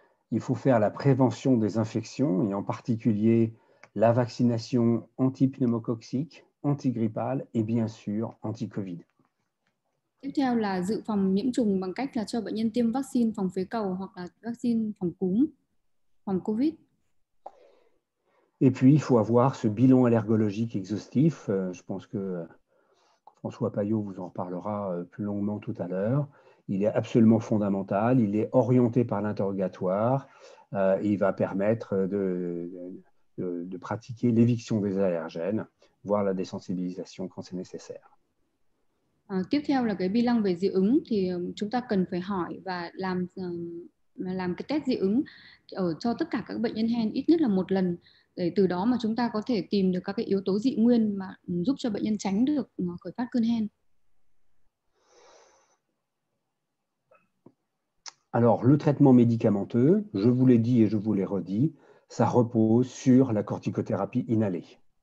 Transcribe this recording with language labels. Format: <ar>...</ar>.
<fr>Il faut faire la prévention des infections et en particulier la vaccination antipneumocoxique, antigrippale et bien sûr anti-Covid.</fr> <vi>Tiếp theo là dự phòng nhiễm trùng bằng cách là cho bệnh nhân tiêm vaccine phòng phế cầu hoặc là vaccine phòng cúm, phòng COVID.</vi> <fr>Et puis, il faut avoir ce bilan allergologique exhaustif. Je pense que François Payot vous en parlera plus longuement tout à l'heure. Il est absolument fondamental. Il est orienté par l'interrogatoire. Il va permettre de pratiquer l'éviction des allergènes, voire la désensibilisation quand c'est nécessaire.</fr> <vi>Tiếp theo là cái bilan về dị ứng thì chúng ta cần phải hỏi và làm cái test dị ứng ở cho tất cả các bệnh nhân hen ít nhất là một lần để từ đó mà chúng ta có thể tìm được các cái yếu tố dị nguyên mà giúp cho bệnh nhân tránh được khởi phát cơn hen.</vi> <fr>Alors, le traitement médicamenteux, je vous l'ai dit et je vous l'ai redit, ça repose sur la corticothérapie inhalée.</fr>